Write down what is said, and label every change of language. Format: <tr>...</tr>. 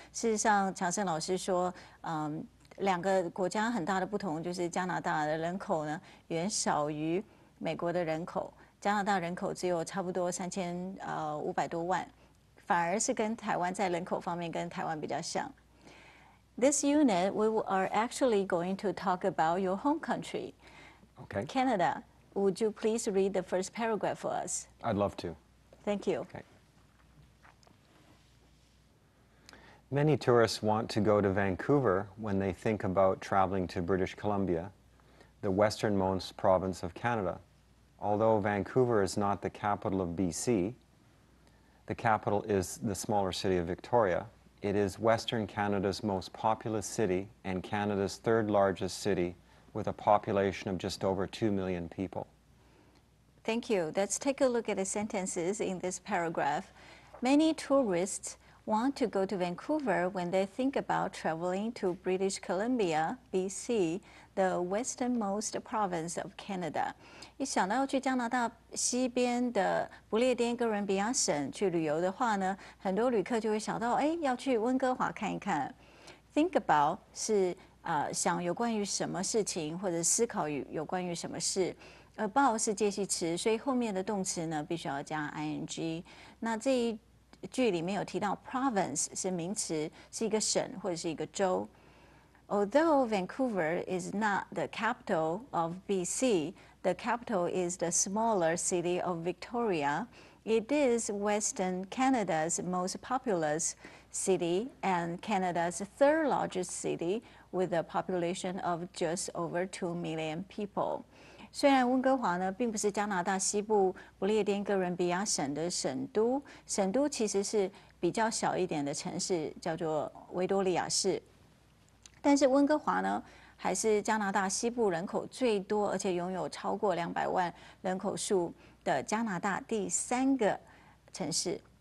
<zh>事实上，强森老师说，两个国家很大的不同就是加拿大的人口呢远少于美国的人口，加拿大人口只有差不多3500多万，反而是跟台湾在人口方面跟台湾比较像。</zh> <en>This unit, we are actually going to talk about your home country, okay. Canada. Would you please read the first paragraph for us? I'd love to. Thank you. Okay. Many tourists want to go to Vancouver when they think about traveling to British Columbia, the westernmost province of Canada. Although Vancouver is not the capital of BC, the capital is the smaller city of Victoria. It is Western Canada's most populous city and Canada's third largest city with a population of just over 2 million people. Thank you. Let's take a look at the sentences in this paragraph. Many tourists want to go to Vancouver when they think about traveling to British Columbia, BC, the westernmost province of Canada.</en> <zh>一想到要去加拿大西边的不列颠哥伦比亚省去旅游的话呢，很多旅客就会想到，哎，要去温哥华看一看。</zh> <en>Think about</en> <zh>是想有关于什么事情，或者思考有关于什么事。 About 是介系词，所以后面的动词呢必须要加 ing。那这一句里面有提到 province 是名词，是一个省或者是一个州。</zh> <en>Although Vancouver is not the capital of BC. The capital is the smaller city of Victoria. It is Western Canada's most populous city and Canada's third largest city with a population of just over 2 million people.</en> <zh>虽然温哥华呢并不是加拿大西部不列颠哥伦比亚省的省都，省都其实是比较小一点的城市，叫做维多利亚市。但是温哥华呢还是加拿大西部人口最多，而且拥有超过200万人口数的加拿大第三个城市。</zh>